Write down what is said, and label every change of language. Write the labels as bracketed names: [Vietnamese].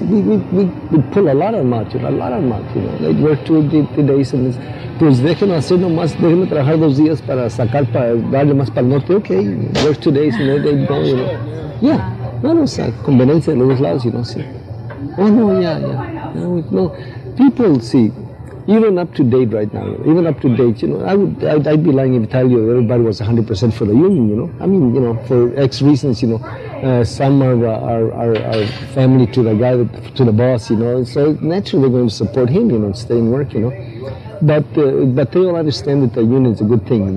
[English] We pull a lot of mud, you know, you know. They work 2 or 3 days and it's, [Spanish] pues déjenme hacer nomás, déjenme trabajar 2 días para sacar, para darle más para el norte. [English] Okay, work 2 days and then they go, you know. [Spanish] Yeah, no, no, esa conveniencia de los dos lados, [English] you know, [Spanish] sí. [English] Oh, no, yeah. No, people see. Even up to date right now, even up to date, you know, I'd be lying if I tell you everybody was 100% for the union, you know. I mean, you know, for X reasons, you know, some are family to the guy, to the boss, you know. So naturally they're going to support him, you know, stay in work, you know. But they all understand that the union is a good thing.